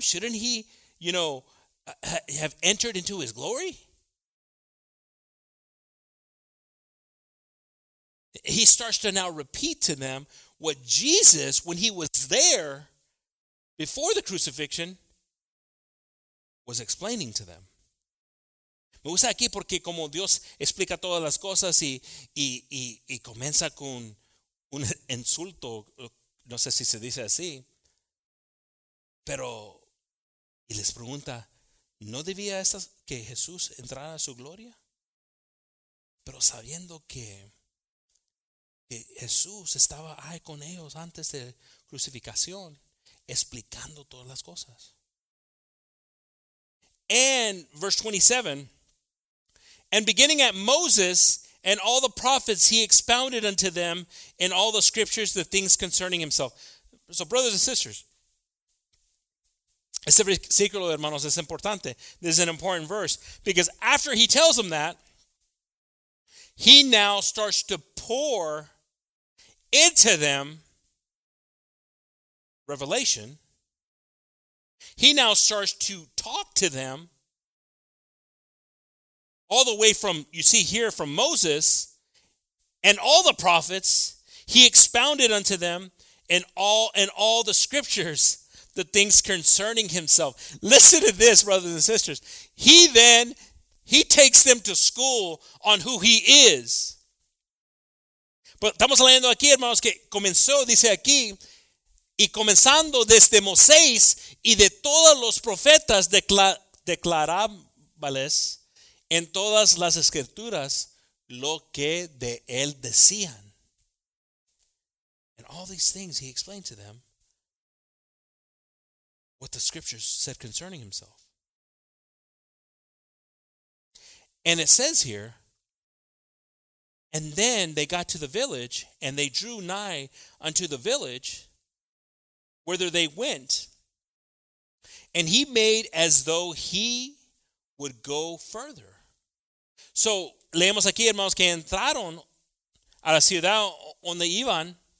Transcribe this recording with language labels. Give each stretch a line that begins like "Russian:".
English: Shouldn't he, you know, have entered into his glory? He starts to now repeat to them what Jesus, when he was there before the crucifixion, was explaining to them.
Spanish: Me gusta aquí porque como Dios explica todas las cosas y comienza con un insulto, no sé si se dice así, pero y les pregunta, ¿no debía estas que Jesús entrara a su gloria? Pero sabiendo que Jesús estaba ahí con ellos antes de crucificación, explicando todas las cosas.
English: And verse 27, and beginning at Moses and all the prophets, he expounded unto them in all the scriptures the things concerning himself. So brothers and sisters,
Spanish: este versículo, hermanos, es importante.
English: This is an important verse because after he tells them that, he now starts to pour into them revelation. He now starts to talk to them all the way from, you see here, from Moses and all the prophets. He expounded unto them in all the scriptures the things concerning himself. Listen to this, brothers and sisters. He takes them to school on who he is.
Spanish: Pero estamos leyendo aquí, hermanos, que comenzó, dice aquí, y comenzando desde Moisés y de todos los profetas declarables en todas las escrituras lo que de él decían.
English: And all these things he explained to them what the scriptures said concerning himself. And it says here, and then they got to the village, and they drew nigh unto the village, whither they went. And he made as though he would go further.
Spanish: So, leemos aquí, hermanos, que entraron a la ciudad donde iban.